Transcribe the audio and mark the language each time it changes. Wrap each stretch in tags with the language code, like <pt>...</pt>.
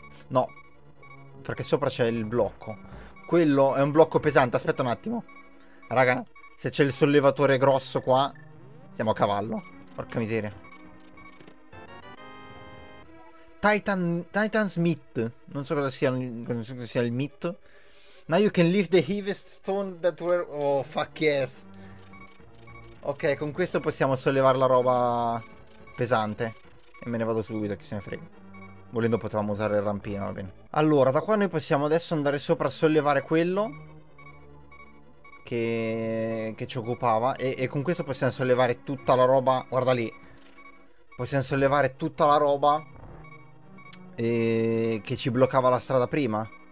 <it>No, perché sopra c'è il blocco. Quello è un blocco pesante, aspetta un attimo. Raga, se c'è il sollevatore grosso qua, siamo a cavallo. Porca miseria. Titan Smith. Non so cosa sia, non so cosa sia il Myth.</it> <en>Now you can lift the heaviest stone that were... Oh, fuck yes.</en> <it>Ok, con questo possiamo sollevare la roba pesante. E me ne vado subito, che se ne frega. Volendo potevamo usare il rampino, va bene. Allora, da qua noi possiamo adesso andare sopra a sollevare quello che ci occupava. E con questo possiamo sollevare tutta la roba. Guarda lì. Possiamo sollevare tutta la roba che ci bloccava la strada prima.</it>